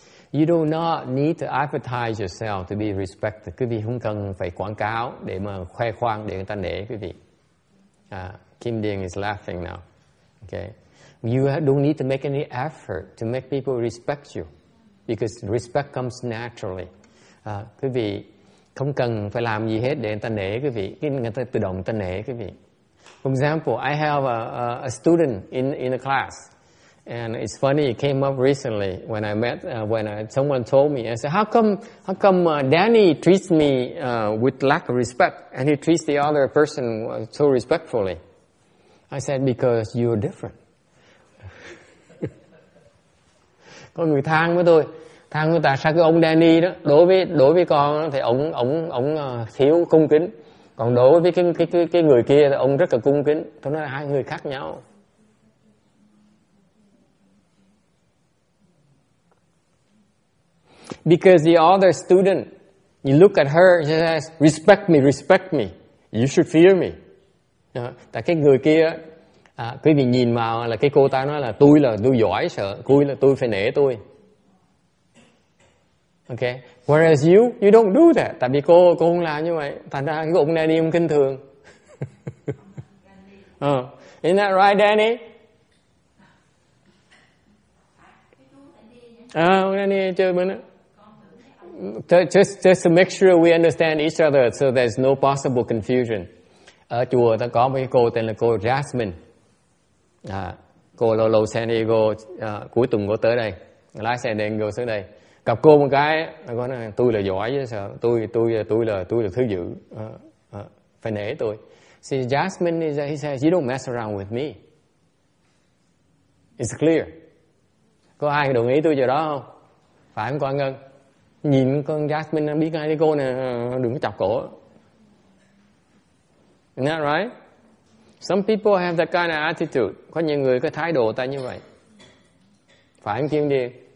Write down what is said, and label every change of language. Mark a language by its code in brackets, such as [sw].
[en] You do not need to advertise yourself to be respected. [vi] Quý vị không cần phải quảng cáo để mà khoe khoang để người ta nể quý vị. [en] Kim Dieng is laughing now. Okay. You don't need to make any effort to make people respect you, because respect comes naturally. [vi] Quý vị không cần phải làm gì hết để người ta nể quý vị. Người ta tự động người ta nể quý vị. [en] For example, I have a student in a class. And it's funny, it came up recently when I met, someone told me, I said, how come Danny treats me with lack of respect, and he treats the other person so respectfully? I said, because you're different. [vi] Có người than với tôi, than với tại sao cái ông Danny đó, đối với con thì ông thiếu cung kính. Còn đối với cái người kia là ông rất là cung kính. Tôi nói là hai người khác nhau. [en] Because the other student, you look at her, she says, respect me, respect me. You should fear me. [vi] Tại cái người kia, quý vị nhìn vào là cái cô ta nói là tôi giỏi sợ, tôi là tôi phải nể tôi. [en] Okay. Whereas you don't do that. [vi] Tại vì cô không làm như vậy. Thành ra cái ông Danny ông kinh thường. [en] Isn't that right, Danny? [vi] Ông Danny chơi bữa nữa. [en] Just to make sure we understand each other, so there's no possible confusion. [vi] Ở chùa ta có một cô tên là cô Jasmine. Cô lâu lâu San Diego, cuối tuần cô tới đây, lái xe đen vô xuống đây. Gặp cô một cái, cô nói tôi là giỏi chứ sao? Tôi là thứ dữ, phải nể tôi. [en] See, Jasmine is, he says, you don't mess around with me. It's clear. [vi] Có ai đồng ý tôi chỗ đó không? Phải không, Quang Ngân? Nhìn con Jasmine biết ngay cái cô này đừng có chọc cổ. [en] Isn't that right? Some people have that kind of attitude. [vi] Có nhiều người có thái độ ta như vậy. Phải không Kim Điền?